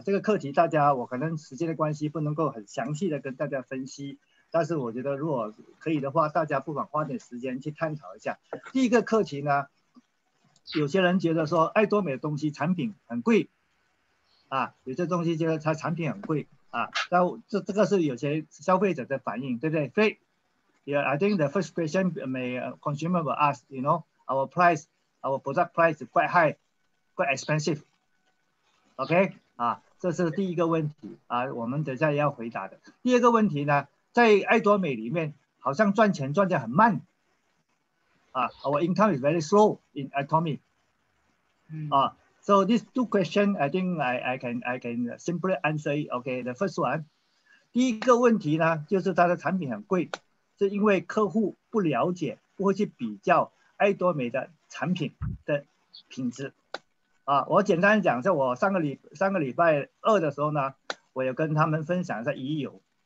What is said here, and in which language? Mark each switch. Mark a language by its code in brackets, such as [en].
[zh] 这个课题大家我可能时间的关系不能够很详细的跟大家分析，但是我觉得如果可以的话，大家不妨花点时间去探讨一下。第一个课题呢，有些人觉得说爱多美的东西产品很贵啊，有些东西觉得它产品很贵。啊，这个是有些消费者的反应，对不对？ [en] 对 ，Yeah, I think the first question may consumer will ask, you know, our price, our product price is quite high, quite expensive. [zh] OK, 啊，这是第一个问题啊，我们等下要回答的。第二个问题呢，在爱多美里面，好像赚钱赚得很慢。 [en] 啊 ，Our income is very slow in Atomy. So these two questions, I think I can simply answer it. Okay, the first one. [zh] 第一个问题呢，就是它的产品很贵，是因为客户不了解，不会去比较爱多美的产品的品质。啊，我简单讲一下，我上个礼拜二的时候呢，我有跟他们分享一下鱼油。